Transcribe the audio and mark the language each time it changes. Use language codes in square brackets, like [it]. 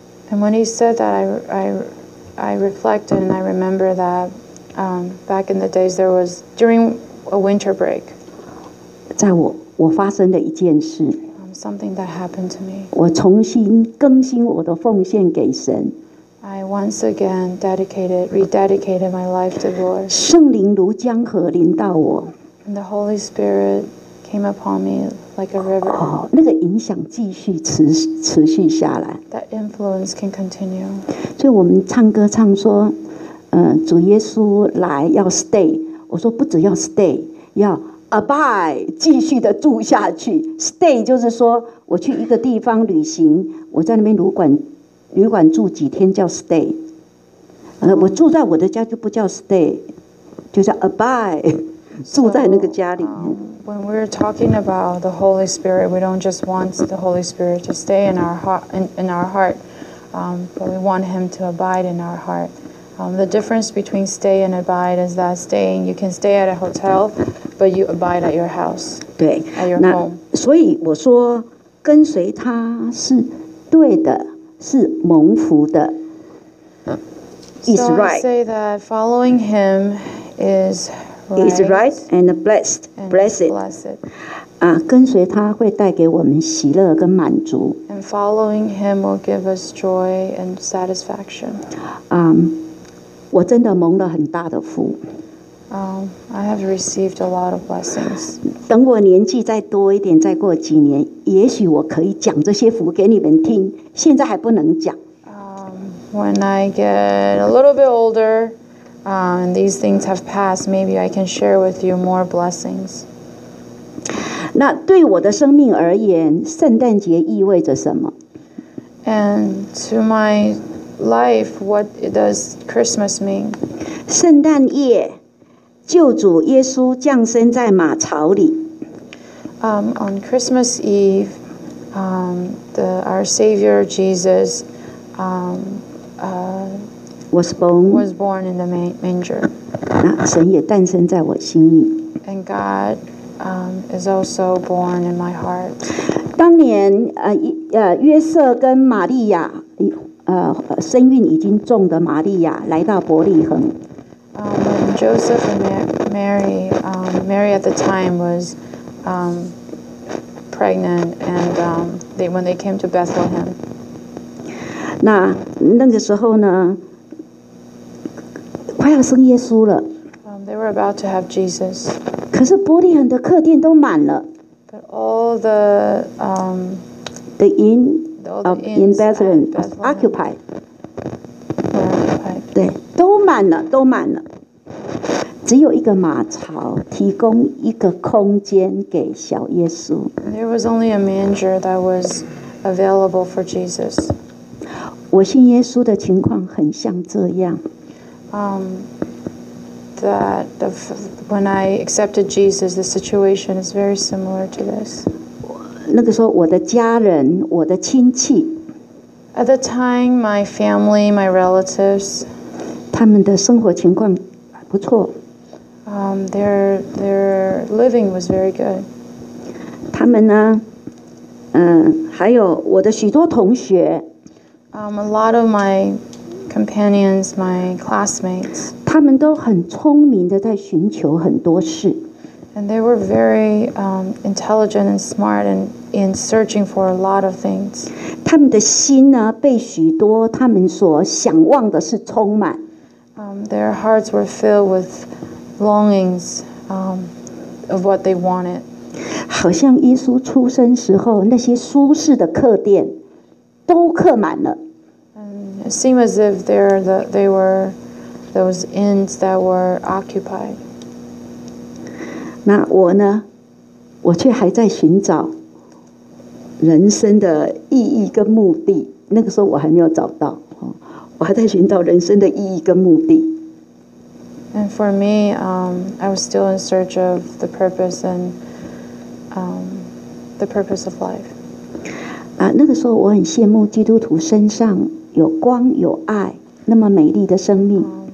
[en] And when he said that, I reflected and I remember that back in the days there was during a winter break. [zh] 在我发生的一件事。 [en] Something that happened to me. [zh] 我重新更新我的奉献给神。 [en] I once again rededicated my life to the Lord. [zh] 圣灵如江河临到我。 [en] And the Holy Spirit. Came upon me like a river. [zh] 那个影响继续持续下来。 [en] That influence can continue. [zh] 所以我们唱歌唱说，主耶稣来要 stay。我说不只要 stay， 要 abide， 继续的住下去。 Stay 就是说我去一个地方旅行，我在那边旅馆住几天叫 stay。我住在我的家就不叫 stay， 就叫 abide。住在那个家里。 [en] When we're talking about the Holy Spirit, we don't just want the Holy Spirit to stay in our heart, but we want Him to abide in our heart. The difference between stay and abide is that staying, you can stay at a hotel, but you abide at your house, [zh] 对 [en] at your home. [zh] 所以我说跟随他是对的，是蒙福的。 [en] It's right. So I say that following Him is. Right, is right and blessed, blessed. [zh] 啊，跟随他会带给我们喜乐跟满足。 [en] And following him will give us joy and satisfaction. [zh] 我真的蒙了很大的福。 [en] I have received a lot of blessings. [zh] 等我年纪再多一点，再过几年，也许我可以讲这些福给你们听。现在还不能讲。 [en] When I get a little bit older. And these things have passed. Maybe I can share with you more blessings. [zh] 那对我的生命而言，圣诞节意味着什么？ [en] And to my life, what does Christmas mean? [zh] 圣诞夜，救主耶稣降生在马槽里。 [en] On Christmas Eve, our Savior Jesus, Was born in the manger. [zh] 那神也诞生在我心里。 [en] And God, is also born in my heart. [zh] 当年，约瑟跟玛利亚，身孕已经重的玛利亚来到伯利恒。 [en] Joseph and Mary, Mary at the time was pregnant, and when they came to Bethlehem. [zh] 那个时候呢，快要生耶稣了。 [en] They were about to have Jesus. [zh] 可是伯利恒的客店都满了。 [en] But all the the inn in Bethlehem occupied. [zh] 对，都满了，都满了。只有一个马槽提供一个空间给小耶稣。 [en] There was only a manger that was available for Jesus. [zh] 我信耶稣的情况很像这样。 [en] That when I accepted Jesus, the situation is very similar to this. [zh] 那个时候，我的家人，我的亲戚。 [en] At the time, my family, my relatives. [zh] 他们的生活情况不错。 [en] Their living was very good. [zh] 他们呢，还有我的许多同学。 [en] A lot of my companions, my classmates. [zh] 他们都很聪明的在寻求很多事。 [en] And they were very intelligent and smart and in searching for a lot of things. [zh] 他们的心呢，被许多他们所想望的事充满。 [en] Their hearts were filled with longings of what they wanted. [zh] 好像耶稣出生时候，那些舒适的客店都客满了。 [en] It seemed as if they were those inns that were occupied. [zh] 那我呢？我却还在寻找人生的意义跟目的。那个时候我还没有找到。我还在寻找人生的意义跟目的。 [en] And for me, I was still in search of the purpose and the purpose of life. [zh] 那个时候我很羡慕基督徒身上有光有爱，那么美丽的生命。